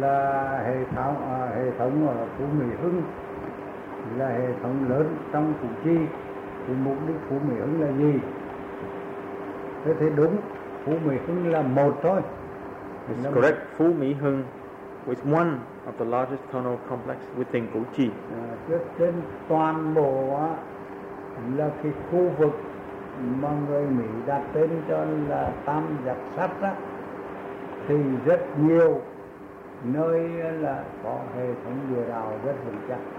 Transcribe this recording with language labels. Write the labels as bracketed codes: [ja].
[vi] là hệ thống ở Phú Mỹ Hưng là hệ thống lớn trong Củ Chi. Thì mục đích Phú Mỹ Hưng là gì? Thế thì đúng, Phú Mỹ Hưng là một thôi. [en] It's [vi] là [en] correct, Phú Mỹ Hưng is one of the largest tunnel complex within Củ Chi. [vi] Trên toàn bộ là cái khu vực mà người Mỹ đặt tên cho là Tam Giác Sắt á, thì rất nhiều nơi là có hệ thống địa đạo rất vững chắc.